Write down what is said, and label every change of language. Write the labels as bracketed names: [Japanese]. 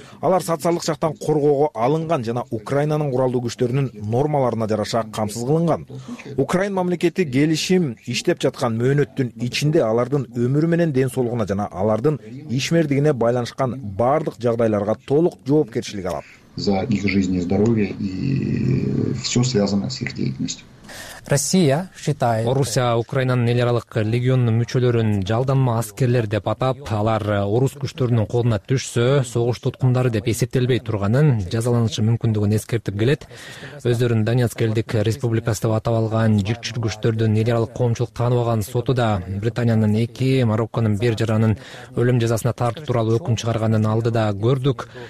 [Kyrgyz] Алар социалдык жактан коргоого алынган жана Украинанын куралдуу күчтөрүнүн нормаларына жараша камсыз кылынган. Украин мамлекети келишим иштеп жаткан мөөнөттүн ичинде алардын өмүрү менен ден соолугуна жана алардын ишмердигине байланышкан баардык жагдайларга толук жоопкерчилик алат. [Russian] За их жизнь и здоровье и все связано с их деятельностью. Россия считает... [Kyrgyz] Орусия Украинанын эл аралык легионунун мүчөлөрүн жалданма аскерлер деп атап, алар орус күчтөрүнүн колуна түшсө, согуш туткундары деп эсептелбей турганын, жазаланышы мүмкүндүгүн эскертип келет. Өздөрүн Донецк элдик республикасы деп атап алган жүкчүл күчтөрдүн эл аралык коомчулук таанып алган соту да Британиянын эки, Марокконун бир жаранын өлүм жазасына тартуу тууралуу өкүм чыгарганын алдыда көрдүк.